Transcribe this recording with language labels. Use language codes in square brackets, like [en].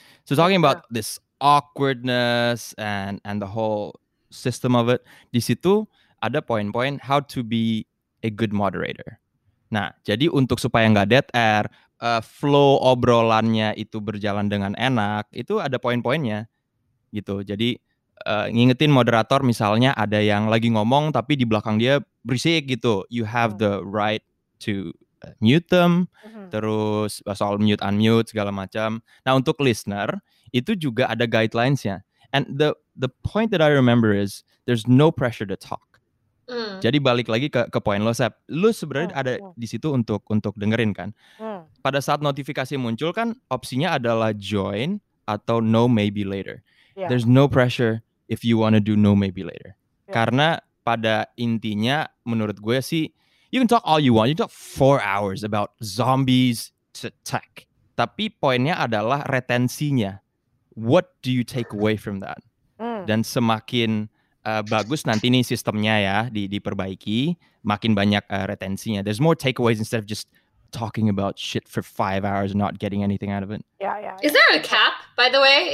[en] So talking about this awkwardness and the whole system of it, [id] di situ ada poin-poin [en] how to be a good moderator. [id] Nah, jadi untuk supaya nggak dead air, flow obrolannya itu berjalan dengan enak, itu ada poin-poinnya gitu. Jadi ngingetin moderator, misalnya ada yang lagi ngomong tapi di belakang dia berisik gitu, [en] you have the right to mute them. [id] Terus soal mute unmute segala macam. Nah, untuk listener itu juga ada guidelinesnya, [en] and the point that I remember is there's no pressure to talk. [id] Jadi balik lagi ke poin lo, Seb, lo sebenarnya ada di situ untuk dengerin kan. Pada saat notifikasi muncul kan, opsinya adalah join atau no maybe later. [en] There's no pressure if you want to do no maybe later. [id] Karena pada intinya menurut gue sih, [en] you can talk all you want, you talk 4 hours about zombies to tech. [id] Tapi poinnya adalah retensinya. [en] What do you take away from that? [id] Dan semakin bagus nanti nih sistemnya ya diperbaiki, makin banyak retensinya. [en] There's more takeaways instead of just talking about shit for 5 hours and not getting anything out of it. Yeah. Is there a cap, by the way?